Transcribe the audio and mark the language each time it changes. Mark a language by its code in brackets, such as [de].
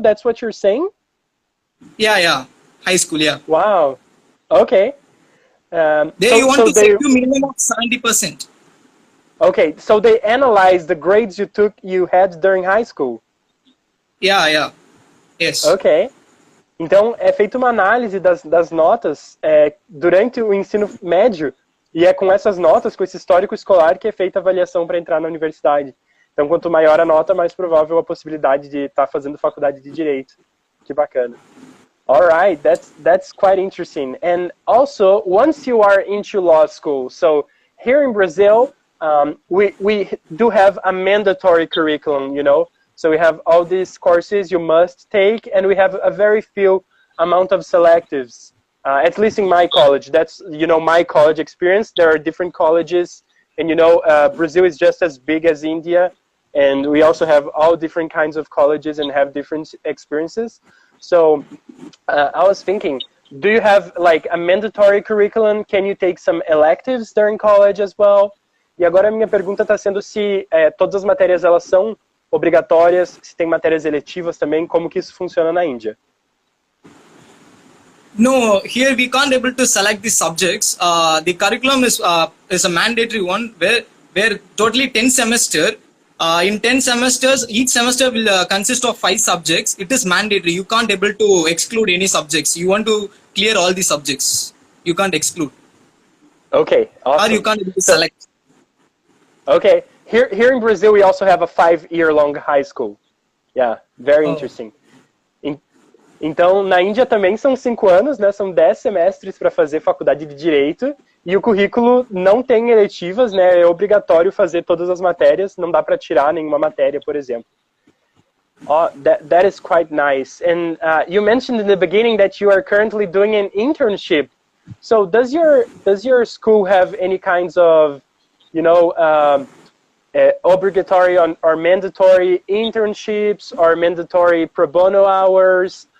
[en] That's what you're saying? Yeah. High school, yeah. Wow. Okay. You want to take a minimum of 70%. Okay. So they analyze the grades you had during high school? Yeah. Yes. Okay. [pt] Então, é feita uma análise das notas durante o ensino médio, e é com essas notas, com esse histórico escolar, que é feita a avaliação para entrar na universidade. Então, quanto maior a nota, mais provável a possibilidade de estar fazendo faculdade de direito. Que bacana. [en] All right, that's quite interesting. And also, once you are into law school, so here in Brazil, we do have a mandatory curriculum, you know? So we have all these courses you must take, and we have a very few amount of selectives, at least in my college. That's, you know, my college experience. There are different colleges, and, you know, Brazil is just as big as India, and we also have all different kinds of colleges and have different experiences. So I was thinking, do you have, like, a mandatory curriculum? Can you take some electives during college as well? [pt] E agora a minha pergunta está sendo se todas as matérias, elas são obrigatórias, se tem matérias eletivas também, como que isso funciona na Índia? [en] No, here we can't able to select the subjects. The curriculum is a mandatory one where totally 10 semesters. In 10 semesters, each semester will consist of 5 subjects. It is mandatory. You can't able to exclude any subjects. You want to clear all the subjects. You can't exclude. Okay. Awesome. Or you can't able to select. Okay. Here in Brazil, we also have a 5-year-long high school. Yeah, very interesting. [pt] Então, na Índia também são 5 anos, né? São 10 semestres para fazer faculdade de direito. E o currículo não tem eletivas, né? É obrigatório fazer todas as matérias. Não dá para tirar nenhuma matéria, por exemplo. [en] Oh, that is quite nice. And you mentioned in the beginning that you are currently doing an internship. So, does your school have any kinds of, you know, obligatory or mandatory internships or mandatory pro bono hours?